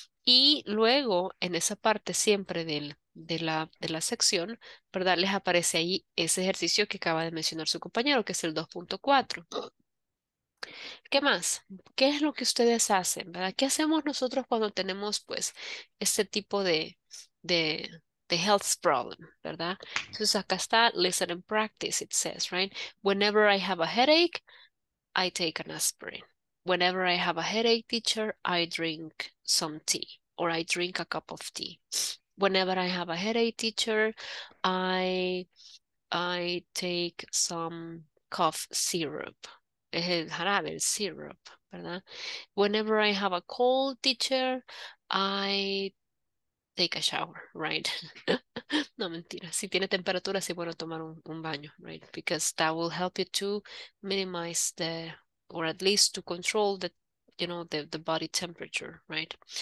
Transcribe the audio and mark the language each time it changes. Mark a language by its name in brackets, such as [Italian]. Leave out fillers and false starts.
[Spanish] Y luego, en esa parte siempre de la sección, ¿verdad? Les aparece ahí ese ejercicio que acaba de mencionar su compañero, que es el 2.4. ¿Qué más? ¿Qué es lo que ustedes hacen, verdad? ¿Qué hacemos nosotros cuando tenemos, pues, este tipo de health problem, ¿verdad? Entonces acá está, [English] listen and practice, it says, right? Whenever I have a headache, I take an aspirin. Whenever I have a headache, teacher, I drink some tea or I drink a cup of tea. Whenever I have a headache, teacher, I take some cough syrup. [Spanish] Es el jarabe, el syrup, ¿verdad? [English] Whenever I have a cold, teacher, I take a shower, right? [Spanish] No, mentira. Si tiene temperatura, sí, bueno, tomar un baño, right? [English] Because that will help you to minimize the, or at least to control the, you know, the body temperature, right?